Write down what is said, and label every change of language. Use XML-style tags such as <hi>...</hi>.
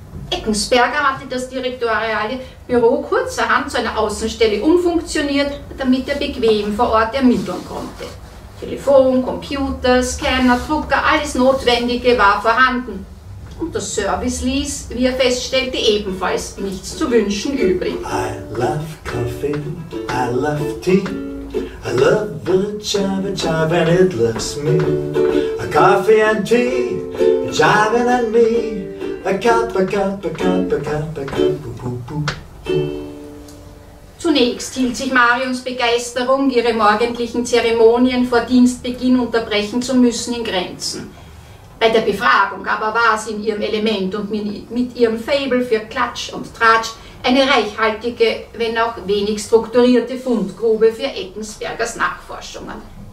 <de>Eckensberger hatte das direktoriale Büro kurzerhand zu einer Außenstelle umfunktioniert, damit er bequem vor Ort ermitteln konnte. Telefon, Computer, Scanner, Drucker, alles Notwendige war vorhanden. Und der Service ließ, wie er feststellte, ebenfalls nichts zu wünschen übrig.</de> <en>I love coffee, I love tea, I love the java java and it loves me. A coffee and tea, java and me. A cup, a cup, a cup, a cup, a cup, a cup.</en> <de>Zunächst hielt sich Marions Begeisterung, ihre morgendlichen Zeremonien vor Dienstbeginn unterbrechen zu müssen, in Grenzen. Bei der Befragung aber war sie in ihrem Element und mit ihrem Faible für Klatsch und Tratsch eine reichhaltige, wenn auch wenig strukturierte Fundgrube für Eckensbergers Nachforschungen.</de>